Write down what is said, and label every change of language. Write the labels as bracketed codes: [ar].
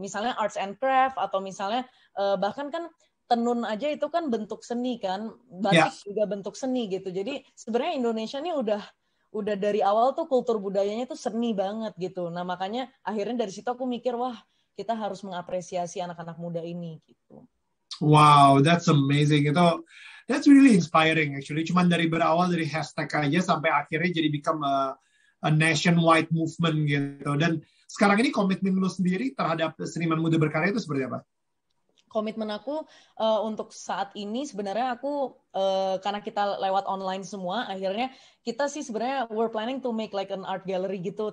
[id] Misalnya [en] arts and craft, [id] atau misalnya bahkan kan tenun aja itu kan bentuk seni kan, batik juga bentuk seni gitu. Jadi sebenarnya Indonesia ini udah dari awal tuh kultur budayanya tuh seni banget gitu. Nah makanya akhirnya dari situ aku mikir, wah kita harus mengapresiasi anak-anak muda ini gitu. [en] Wow, that's amazing. [id] Itu, [en] that's really inspiring actually. [id] Cuman dari berawal dari hashtag aja sampai akhirnya jadi [en] become a nationwide movement [id] gitu. Dan sekarang ini komitmen lu sendiri terhadap Seniman Muda Berkarya itu seperti apa? Komitmen aku untuk saat ini sebenarnya aku, karena kita lewat online semua, akhirnya kita sih sebenarnya [en] we're planning to make like an art gallery [id] gitu.